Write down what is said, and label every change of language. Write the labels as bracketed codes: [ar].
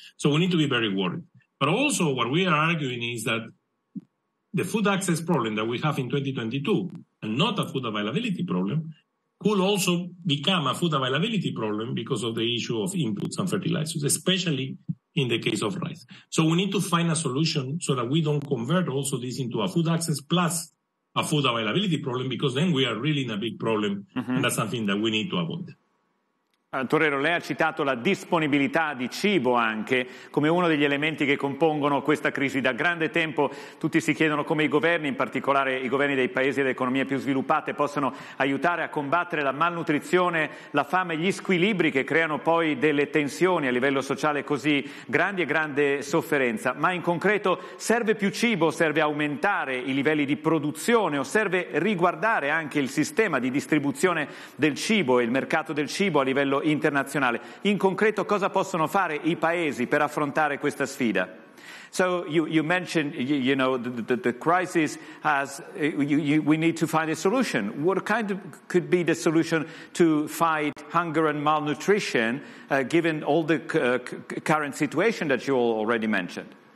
[en] So we need to be very worried. But also what we are arguing is that the food access problem that we have in 2022, and not a food availability problem, could also become a food availability problem because of the issue of inputs and fertilizers, especially in the case of rice. So we need to find a solution so that we don't convert also this into a food access plus a food availability problem, because then we are really in a big problem. Mm-hmm. And that's something that we need to avoid. [it] Torero, lei ha citato la disponibilità di cibo anche come uno degli elementi che compongono questa crisi. Da grande tempo tutti si chiedono come i governi, in particolare i governi dei paesi e delle economie più sviluppate, possano aiutare a combattere la malnutrizione, la fame, gli squilibri che creano poi delle tensioni a livello sociale così grandi e grande sofferenza. Ma in concreto serve più cibo, serve aumentare i livelli di produzione o serve riguardare anche il sistema di distribuzione del cibo e il mercato del cibo a livello internazionale. In concreto, cosa possono fare I paesi per affrontare questa sfida? [en] So you mentioned, you know, the crisis has, we need to find a solution. What kind of could be the solution to fight hunger and malnutrition, given all the current situation that you all already mentioned?